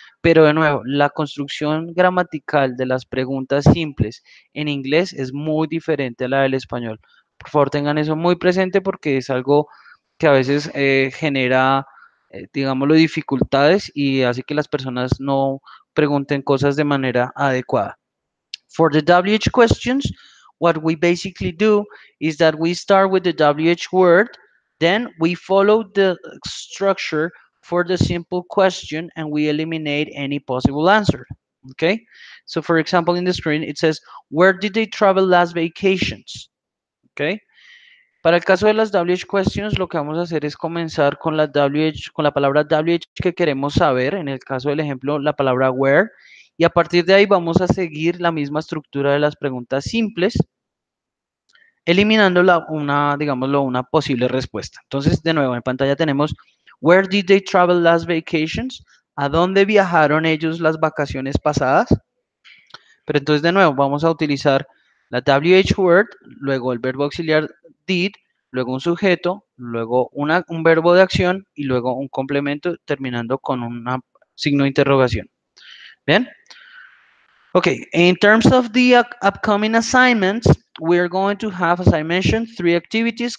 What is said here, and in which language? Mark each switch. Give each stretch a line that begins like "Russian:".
Spanish: Pero de nuevo, la construcción gramatical de las preguntas simples en inglés es muy diferente a la del español. Por favor, tengan eso muy presente porque es algo que a veces genera, digámoslo, dificultades y hace que las personas no pregunten cosas de manera adecuada.
English: For the WH questions, what we basically do is that we start with the WH word, then we follow the structure for the simple question and we eliminate any possible answer, okay? So for example, in the screen, it says, where did they travel last vacations, okay?
Spanish: Para el caso de las WH questions, lo que vamos a hacer es comenzar con la WH, con la palabra WH que queremos saber, en el caso del ejemplo, la palabra where, y a partir de ahí vamos a seguir la misma estructura de las preguntas simples, eliminando una posible respuesta. Entonces, de nuevo, en pantalla tenemos,
English: where did they travel last vacations?
Spanish: ¿A dónde viajaron ellos las vacaciones pasadas? Pero entonces, de nuevo, vamos a utilizar la WH word, luego el verbo auxiliar did, luego un sujeto, luego un verbo de acción y luego un complemento terminando con un signo de interrogación. ¿Bien?
English: Okay, in terms of the upcoming assignments, we're going to have, as I mentioned, three activities.